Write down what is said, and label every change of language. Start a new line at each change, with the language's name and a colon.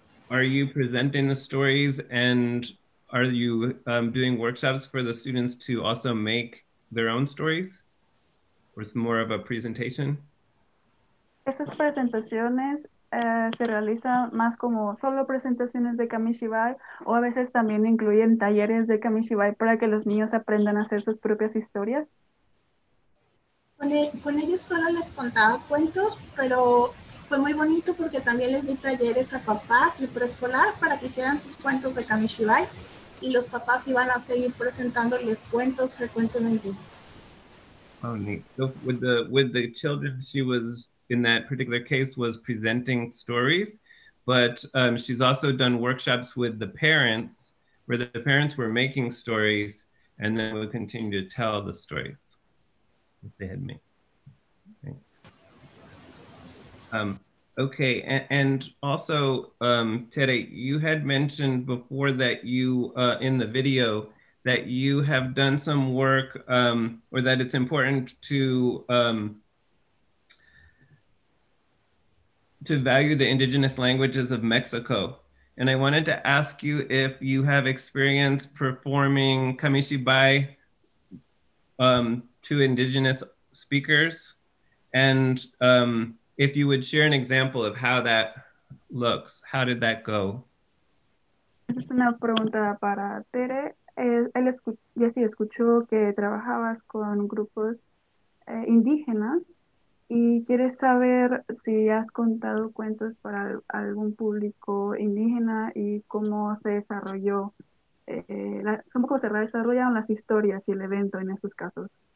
English: Are you presenting the stories, and are you doing workshops for the students to also make their own stories? Or is it more of a presentation?
Spanish: Esas presentaciones se realizan más como solo presentaciones de Kamishibai, o a veces también incluyen talleres de Kamishibai para que los niños aprendan a hacer sus propias historias. Con ellos solo les contaba cuentos, pero fue muy bonito porque también les di talleres a papás y preescolar para que hicieran sus cuentos de Kamishibai. Y los papás iban a seguir presentándoles cuentos frecuentemente.
English: Oh, neat. So with the children, she was, in that particular case, was presenting stories, but she's also done workshops with the parents, where the parents were making stories, and then would continue to tell the stories that they had made. Okay, okay. And also, Tere, you had mentioned before that you, in the video, that you have done some work, or that it's important to value the indigenous languages of Mexico. And I wanted to ask you if you have experience performing Kamishibai to indigenous speakers, and if you would share an example of how that looks, how did that go?
Spanish: Esa es una pregunta para Tere. Ya sí escuchó que trabajabas con grupos indígenas. Y quieres saber si has contado cuentos para algún público indígena y cómo se desarrolló, cómo se desarrollaron las historias y el evento en esos casos.